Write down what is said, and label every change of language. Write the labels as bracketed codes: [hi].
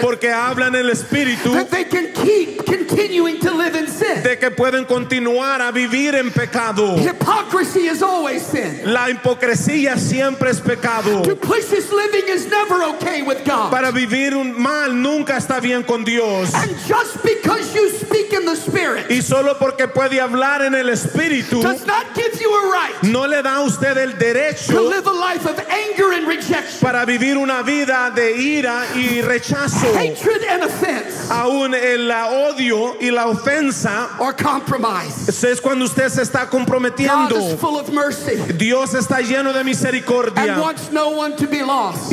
[es] porque hablan el espíritu de que pueden continuar a vivir en pecado. [en] Hypocrisy is always sin. [es] La hipocresía siempre es pecado. [en] Duplicious living is never okay with God. [es] Para vivir un mal nunca está bien con Dios. [en] And just because you speak in the spirit, [es] y solo porque puede hablar en el espíritu [en] does not give you a right, [es] no le da a usted el derecho [en] to live a life of anger and rejection. [es] Para vivir una vida de ira y rechazo. [en] Hatred and offense. [es] Aún el odio y la ofensa. [en] Or compromise. [es] Eso es cuando usted se está comprometiendo. [en] God is full of mercy. [es] Dios está lleno de misericordia. [en] And wants no one to be lost.